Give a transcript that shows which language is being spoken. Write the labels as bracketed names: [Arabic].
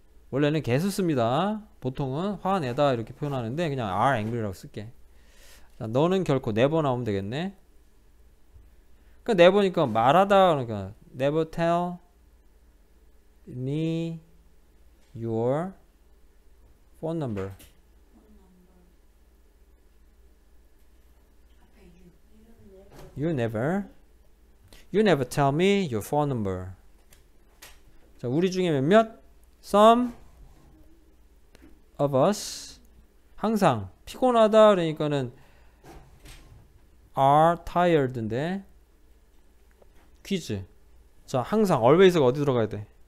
[Korean] 원래는 get을 씁니다. 보통은 화내다 이렇게 표현하는데 그냥 R angry라고 쓸게. 자, 너는 결코 never 나오면 되겠네. 그 내보니까 말하다 그러니까 [English] never tell me your phone number. You never tell me your phone number. [Korean] 자, 우리 중에 몇몇 some of us 항상 피곤하다 그러니까는 are tired인데. 퀴즈. 자, 항상 always가 어디 들어가야 돼?